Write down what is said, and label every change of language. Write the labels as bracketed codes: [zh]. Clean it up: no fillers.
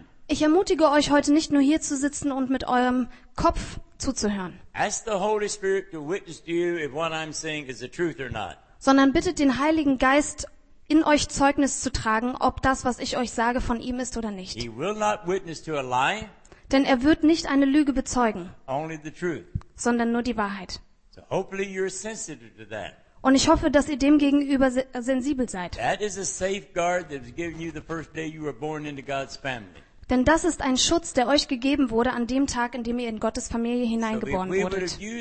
[de] Ich ermutige euch, heute nicht nur hier zu sitzen und mit eurem Kopf zuzuhören. [en] Ask the Holy Spirit to witness to you if what I'm saying is the truth or not. [de] Sondern bittet den Heiligen Geist in euch Zeugnis zu tragen, ob das, was ich euch sage, von ihm ist oder nicht. [en] He will not witness to a lie, [de] denn er wird nicht eine Lüge bezeugen, [en] only the truth, [de] sondern nur die Wahrheit. [en] So hopefully you're sensitive to that. [de] Und ich hoffe, dass ihr dem gegenüber sensibel seid. [en] That is a safeguard that was given you the first day you were born into God's family. [de] Denn das ist ein Schutz, der euch gegeben wurde an dem Tag, in dem ihr in Gottes Familie hineingeboren wurdet.